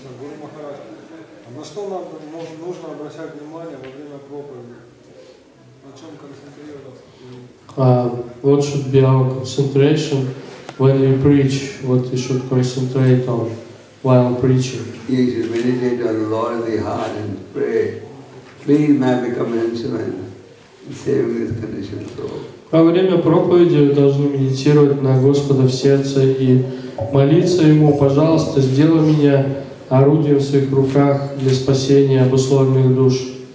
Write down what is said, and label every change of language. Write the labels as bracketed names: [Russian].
[Russian] Гуру Махарадж, а на что нам нужно обращать внимание во время проповеди? На чем концентрироваться? [English] What should be our concentration when we preach? What we should concentrate on? While preaching, you should meditate on the Lord in the heart and pray. Please, may I become an instrument in saving this condition soul. [Russian] Во время проповеди вы должны медитировать на Господа в сердце и молиться Ему, пожалуйста, сделай меня орудием в своих руках для спасения обусловленных душ.